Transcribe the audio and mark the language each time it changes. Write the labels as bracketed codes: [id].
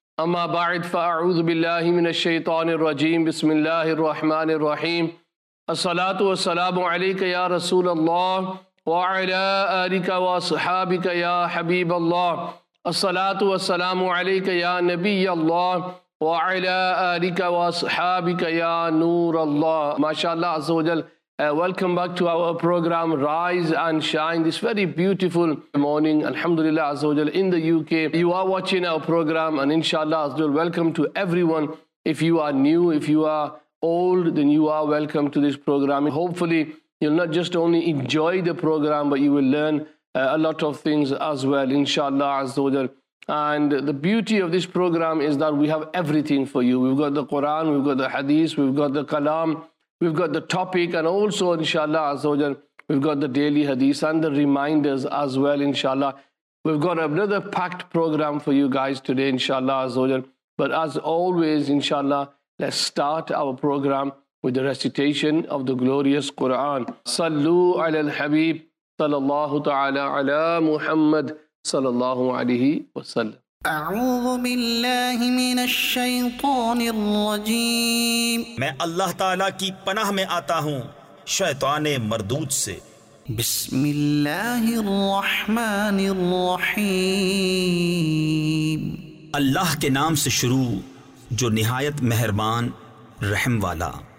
[ar] أما بعد فأعوذ بالله من الشيطان الرجيم بسم الله الرحمن الرحيم الصلاة والسلام عليك يا رسول الله وعلى آلك وأصحابك يا حبيب الله الصلاة والسلام عليك يا نبي الله وعلى آلك وأصحابك يا نور الله ما شاء الله عز وجل [en] welcome back to our program Rise and Shine this very beautiful morning. Alhamdulillah Azza wa Jal in the UK. You are watching our program and inshallah Azza wa Jal, welcome to everyone. If you are new, if you are old, then you are welcome to this program. Hopefully, you'll not just only enjoy the program, but you will learn a lot of things as well, inshallah Azza wa Jal. And the beauty of this program is that we have everything for you. We've got the Quran, we've got the Hadith, we've got the Kalam, we've got the topic, and also, inshallah, Azza wa Jal, we've got the daily hadith and the reminders as well, inshallah. We've got another packed program for you guys today, inshallah, Azza wa Jal. But as always, inshallah, let's start our program with the recitation of the glorious Quran. Sallu ala al-Habib, sallallahu ta'ala ala Muhammad, sallallahu alayhi wa sallam. [ar] أعوذ بالله من الشيطان الرجيم [ur] میں اللہ تعالیٰ کی پناہ میں آتا ہوں شیطان مردود سے [ar] بسم اللہ الرحمن الرحیم [ur] اللہ کے نام سے شروع جو نہایت مہربان رحم والا